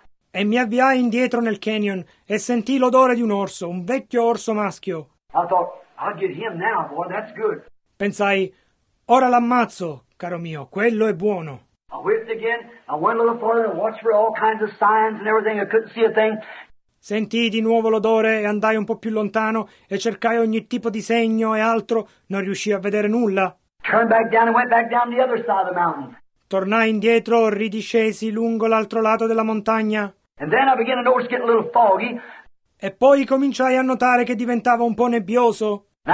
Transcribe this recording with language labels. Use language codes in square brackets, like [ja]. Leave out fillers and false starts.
[it] E mi avviai indietro nel canyon e sentii l'odore di un orso, un vecchio orso maschio. [en] I thought, I'll get him now, boy, that's good. [it] Pensai, ora l'ammazzo, caro mio, quello è buono. [en] I whipped again, I went a little farther and watched for all kinds of signs and everything, I couldn't see a thing. [it] Sentii di nuovo l'odore e andai un po' più lontano e cercai ogni tipo di segno e altro, non riuscii a vedere nulla. [en] Turned back down and went back down the other side of the mountain. [it] Tornai indietro, ridiscesi lungo l'altro lato della montagna. [en] And then I began to notice getting a little foggy. [it] E poi cominciai a notare che diventava un po' nebbioso.